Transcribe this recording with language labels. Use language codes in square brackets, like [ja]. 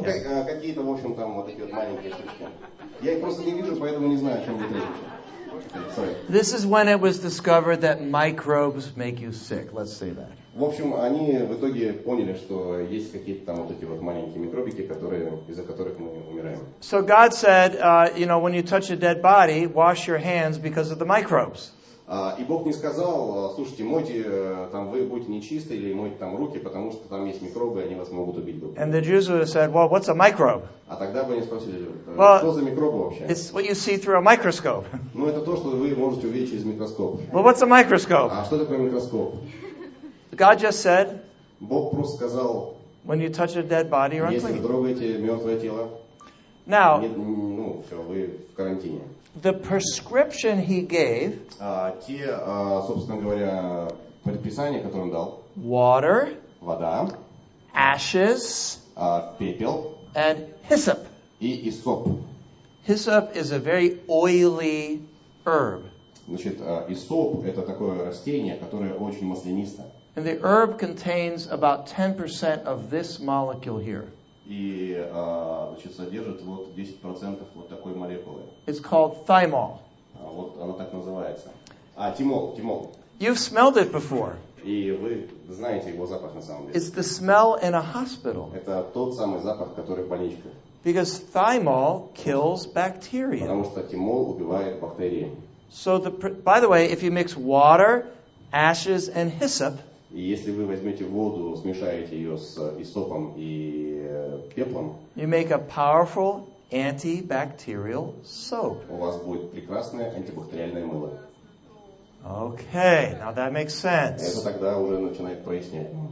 [ru] Okay, какие-то, в общем, там вот такие вот маленькие штучки. Я их просто не вижу, поэтому не знаю, о чем говорить. [en] Sorry. This is when it was discovered that microbes make you sick. Let's say that. [ru] В общем, они в итоге поняли, что есть какие-то там вот эти вот маленькие микробики, которые из-за которых мы умираем. [en] So God said, you know, when you touch a dead body, wash your hands because of the microbes. [ru] И Бог не сказал, слушайте, мойте там вы будете нечисты или мойте там руки, потому что там есть микробы, они вас могут убить. [en] And the Jews would have said, well, what's a microbe? [ru] А тогда бы они спросили, что за микробы вообще? [en] It's what you see through a microscope. [ru] Ну это то, что вы можете увидеть через микроскоп. [en] Well, what's a microscope? [ru] А что такое микроскоп? [en] God just said. [ru] Бог просто сказал. [en] When you touch a dead body, you're unclean. [ru] Если трогаете мертвое тело. [en] Now. [ru] Ну все, вы в карантине. [en] The prescription he gave. [ru] Собственно говоря, предписание, которое он дал. [en] Water. [ru] Вода. [en] Ashes. [ru] Пепел. [en] And hyssop. [ru] И иссоп. [en] Hyssop is a very oily herb. [ru] Значит, иссоп это такое растение, которое очень маслянисто. [en] And the herb contains about 10% of this molecule here. [ru] И, значит, содержит вот 10% вот такой молекулы. [en] It's called thymol. [ru] Вот она так называется. Тимол, тимол. [en] You've smelled it before. [ru] И вы знаете его запах на самом деле. [en] It's the smell in a hospital. [ru] Это тот самый запах, который в больничке. [en] Because thymol kills bacteria. [ru] Потому что тимол убивает бактерии. [en] So, by the way, if you mix water, ashes, and hyssop, [ru] и если вы возьмете воду, смешаете ее с иссопом и пеплом, [en] you make a powerful antibacterial soap. [ru] У вас будет прекрасное антибактериальное мыло. [en] Okay, now that makes sense. [ru] Это тогда уже начинает прояснять.